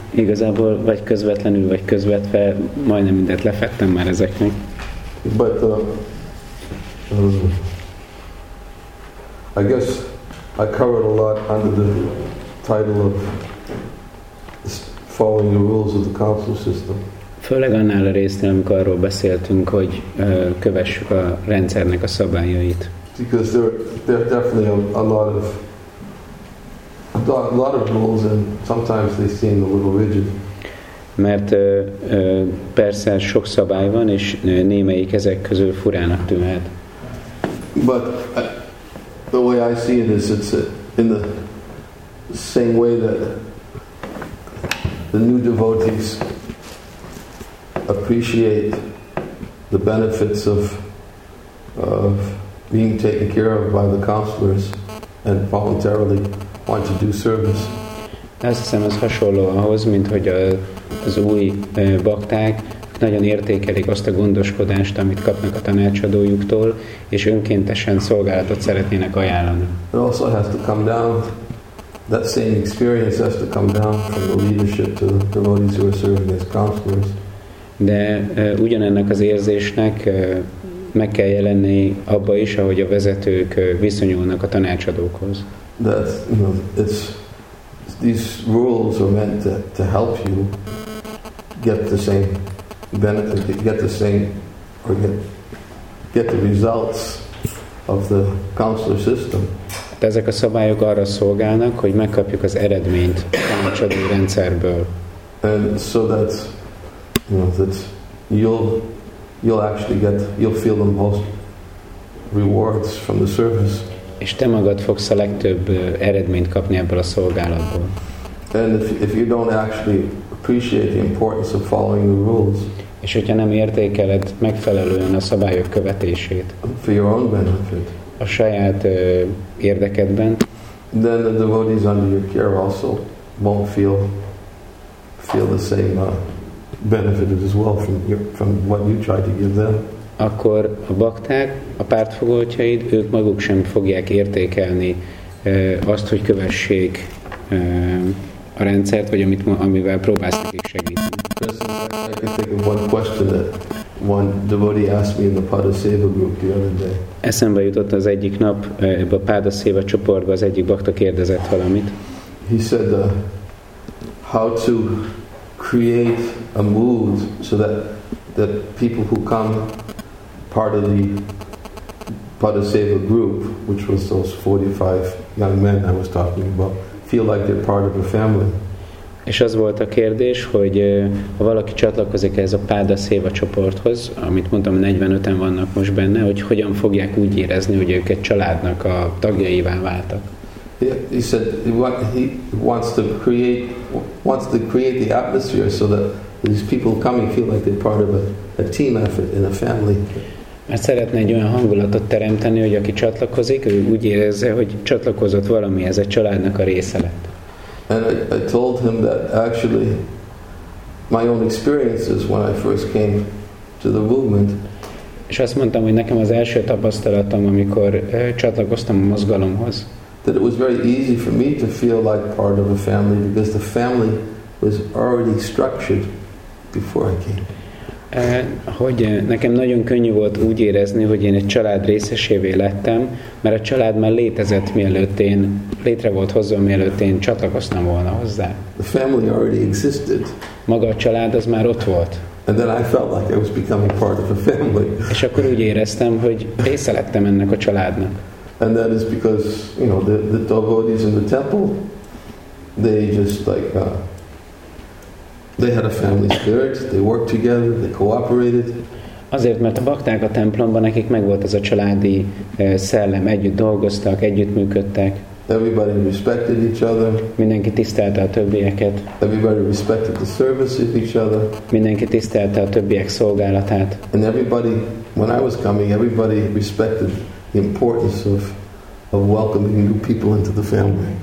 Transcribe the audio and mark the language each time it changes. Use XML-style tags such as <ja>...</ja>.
<hu>Igazából vagy közvetlenül, vagy közvetve majdnem mindent lefettem már ezeknek.</hu> <en>But I guess I covered a lot under the title of following the rules of the council system.</en> <hu>Főleg annál a résznél, amikor arról beszéltünk, hogy kövessük a rendszernek a szabályait.</hu> <en>Because there are definitely a lot of rules, and sometimes they seem a little rigid.</en> <hu>Mert persze sok szabály van, és némelyik ezek közül furának tűnhet.</hu> <en>But the way I see it is, it's in the same way that the new devotees appreciate the benefits of being taken care of by the counselors and voluntarily want to do service.</en> <hu>Ez hiszem, ez hasonló ahhoz, mint hogy az új bakták nagyon értékelik azt a gondoskodást, amit kapnak a tanácsadójuktól, és önkéntesen szolgálatot szeretnének ajánlani.</hu> <en>It also has to come down. That same experience has to come down from the leadership to the devotees who are serving as counselors.</en> <hu>De ugyanennek az érzésnek meg kell jelenni abba is, ahogy a vezetők viszonyulnak a tanácsadókhoz.</hu> <en>That's, you know, these rules are meant to help you get the same benefit, get the results of the counselor system.</en> <hu>De ezek a szabályok arra szolgálnak, hogy megkapjuk az eredményt a csodai rendszerből.</hu> <en>And so that, you know, that you'll feel the most rewards from the service.</en> <hu>És te magad fogsz a legtöbb eredményt kapni ebből a szolgálatból.</hu> <en>And if you don't actually appreciate the importance of following the rules.</en> <hu>És hogyha nem értékeled megfelelően a szabályok követését.</hu> <en>For your own benefit.</en> <hu>A saját érdekedben.</hu> <en>Then the devotees under your care also won't feel the same benefit as well from what you try to give them.</en> <hu>Akkor a bakták, a pártfogoltjaid, ők maguk sem fogják értékelni azt, hogy kövessék a rendszert, vagy amivel próbálsz nekik segíteni.</hu> <en>I can think of one question that one devotee asked me in the Padaseva group the other day.</en> <hu>Eszembe jutott az egyik nap, ebbe a Padaseva csoportba az egyik bakta kérdezett valamit.</hu> <en>He said, how to create a mood so that people who come part of the Padaseva group, which was those 45 young men I was talking about, feel like they're part of a family.</en> <hu>És az volt a kérdés, hogy ha valaki csatlakozik ez a Padaseva csoporthoz, amit mondtam, 45-en vannak most benne, hogy hogyan fogják úgy érezni, hogy ők egy családnak a tagjaivá váltak.</hu> <en>He said he wants to create the atmosphere so that these people coming feel like they're part of a team effort in a family.</en> <hu>Mert szeretne egy olyan hangulatot teremteni, hogy aki csatlakozik, ő úgy érezze, hogy csatlakozott valami, ez egy családnak a része lett.</hu> <en>And I told him that actually my own experiences when I first came to the movement.</en> <hu>És azt mondtam, hogy nekem az első tapasztalatom, amikor csatlakoztam a mozgalomhoz.</hu> <en>That it was very easy for me to feel like part of a family because the family was already structured before I came.</en> <hu>Hogy nekem nagyon könnyű volt úgy érezni, hogy én egy család részesévé lettem, mert a család már létezett, mielőtt én létre volt hozzá, mielőtt én csatlakoztam volna hozzá.</hu> <en>The family already existed.</en> <hu>Maga a család az már ott volt.</hu> <en>And then I felt like I was becoming part of a family.</en> <hu>És akkor úgy éreztem, hogy része lettem ennek a családnak.</hu> <en>And that is because, you know, the devotees in the temple, they just like they had a family spirit, they worked together, they cooperated.</en> <hu>Azért, mert a bakták a templomban, nekik megvolt ez a családi szellem, együtt dolgoztak, együtt működtek.</hu> <en>Everybody respected each other.</en> <hu>Mindenki tisztelte a többieket.</hu> <en>Everybody respected the service of each other.</en> <hu>Mindenki tisztelte a többiek szolgálatát.</hu> <en>And everybody, when I was coming, everybody respected the importance of welcoming new people into the family.</en>